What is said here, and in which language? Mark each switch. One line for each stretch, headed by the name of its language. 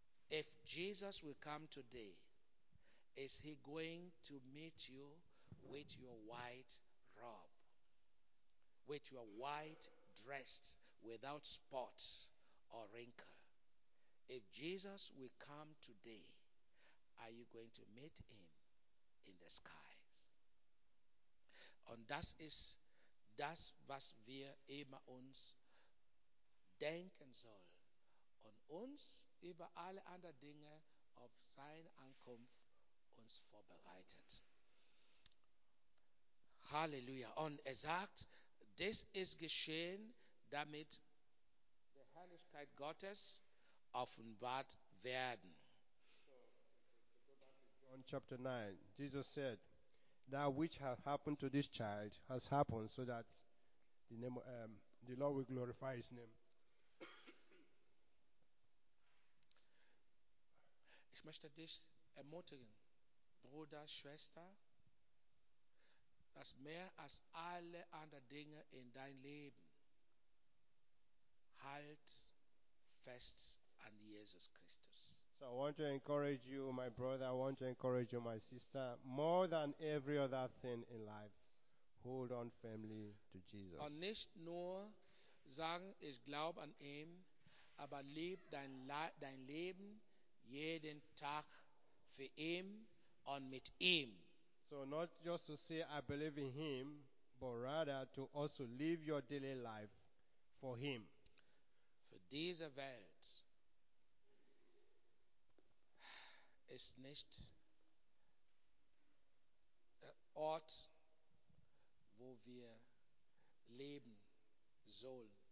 English: If Jesus will come today, is he going to meet you with your white robe, with your white dress without spots or wrinkle? If Jesus will come today, are you going to meet him in the skies?
German: Und das ist das, was wir immer uns denken soll und uns über alle anderen Dinge auf seine Ankunft uns vorbereitet. Halleluja. Und sagt, das ist geschehen, damit die Herrlichkeit Gottes offenbart werden.
English: John chapter 9, Jesus said, that which has happened to this child has happened so that the Lord will glorify his name.
German: möchte dich ermutigen, Bruder, Schwester, dass mehr als alle anderen Dinge in dein Leben halt fest an Jesus Christus.
English: So I want to encourage you, my brother, I want to encourage you, my sister, more than every other thing in life, hold on firmly to Jesus.
German: Und nicht nur sagen, ich glaube an ihn, aber lieb dein Leben jeden Tag für ihn und mit ihm.
English: So not just to say I believe in him, but rather to also live your daily life for him.
German: Für diese Welt ist nicht der Ort, wo wir leben sollen.